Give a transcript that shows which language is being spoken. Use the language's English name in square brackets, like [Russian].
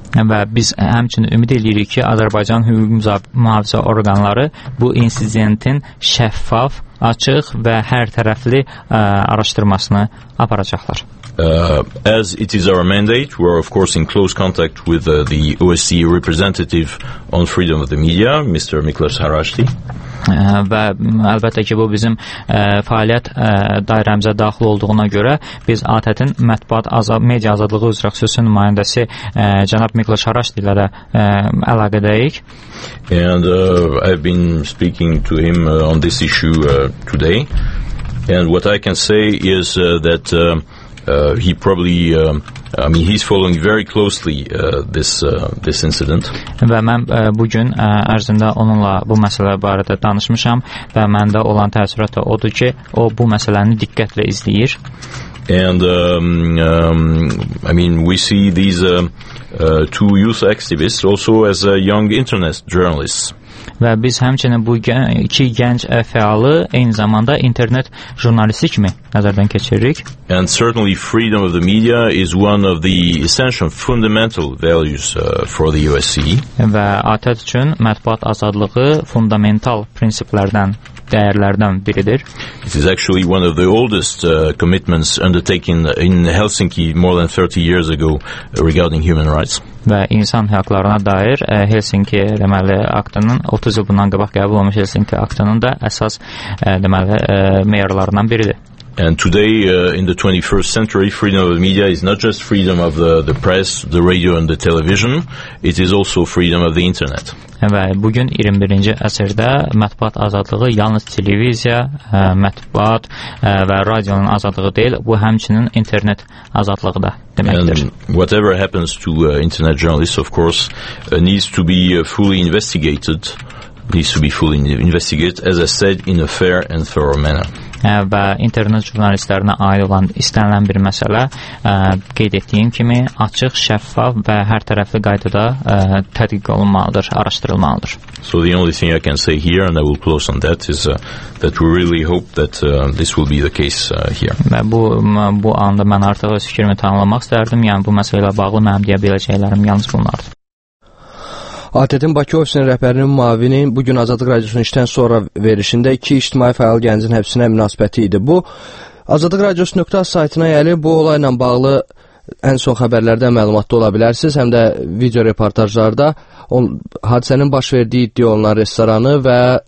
[Azerbaijani] Və biz həmçinin ümid edirik ki, Azərbaycan hüquq mühafizə orqanları bu insidentin şəffaf, açıq və hər tərəfli araşdırmasını aparacaqlar. [English] As it is our mandate, we are of course in close contact with the OSCE representative on freedom of the media, Mr. Miklós Harasti. [Azerbaijani] Və əlbəttə ki, bu bizim fəaliyyət dairəmizə daxil olduğuna görə biz ATƏT-in mətbuat media azadlığı üzrə xüsusi nümayəndəsi cənab Miklós Harasti ilə də əlaqədəyik. [English] And I've been speaking to him on this issue today. And what I can say is that he probably he's following very closely this incident. [Azerbaijani] Və mən bu gün ərzində onunla bu məsələ barədə danışmışam və məndə olan təəssürat da odur ki, o bu məsələni diqqətlə izləyir. [English] And we see these two youth activists also as young internet journalists. [Azerbaijani] Və biz həmçinin bu iki gənc fəalı eyni zamanda internet jurnalisti kimi nəzərdən keçiririk. [English] And certainly freedom of the media is one of the essential fundamental values for the OSCE. [Azerbaijani] Və ATƏT üçün mətbuat azadlığı fundamental prinsiplərdən dəyərlərdən biridir. [English] It is actually one of the oldest commitments undertaken in Helsinki more than 30 years ago regarding human rights. [Azerbaijani] Və insan hüquqlarına dair Helsinki deməli aktının 30 il bundan qabaq qəbul olmuş Helsinki aktının da əsas deməli meyarlarından biridir. [English] And today in the 21st century freedom of the media is not just freedom of the press, the radio and the television, it is also freedom of the internet. [Azerbaijani] Və bu gün 21-ci əsrdə mətbuat azadlığı yalnız televiziya, mətbuat və radionun azadlığı deyil, bu həmçinin internet azadlığı da deməkdir. [English] And whatever happens to internet journalists of course needs to be fully investigated. Needs to be fully investigated, as I said, in a fair and thorough manner. [Azerbaijani] Və internet jurnalistlərinə aid olan istənilən bir məsələ qeyd etdiyim kimi açıq, şəffaf və hər tərəfli qaydada tədqiq olunmalıdır, araşdırılmalıdır. [English] So the only thing I can say here, and I will close on that, is that we really hope that this will be the case here. [Azerbaijani] Və bu anda mən artıq öz fikrimi tanımlamaq istərdim, yəni bu məsələ bağlı mənim deyə biləcəklərim yalnız bunlardır. ATƏT-in Bakı ofisinin rəhbərinin müavini bugün Azadlıq Radiosunun işdən sonra verişində iki ictimai fəal gəncin həbsinə münasibəti idi. Bu, azadlıqradiosu.az saytına gəlib, bu olayla bağlı ən son xəbərlərdən məlumatda ola bilərsiniz, həm də video reportajlarda hadisənin baş verdiyi iddia olunan restoranı və